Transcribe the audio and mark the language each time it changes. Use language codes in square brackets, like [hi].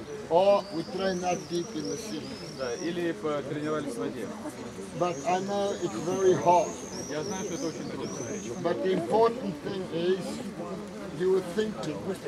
[en] Or we train not deep in the sea. [ru] Да, или потренировались в воде. [en] But I know it's very hard. [ru] Я знаю, что это очень трудно. [en] But the important thing is you were thinking.